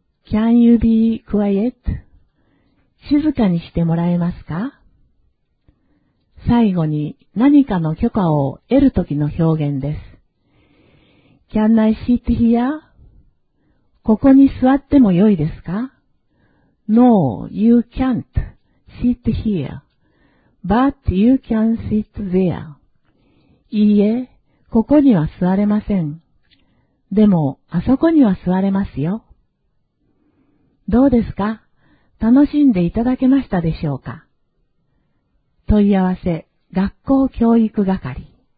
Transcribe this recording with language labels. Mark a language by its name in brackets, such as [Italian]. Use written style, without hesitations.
[English] Can you be quiet? [Japanese] 静かにしてもらえますか？最後に何かの許可を得るときの表現です。 [English] Can I sit here? [Japanese] ここに座ってもよいですか？ [English] No, you can't sit here, but you can sit there. [Japanese] いいえ、ここには座れません。でも、あそこには座れますよ。どうですか？楽しんでいただけましたでしょうか？問い合わせ、学校教育係。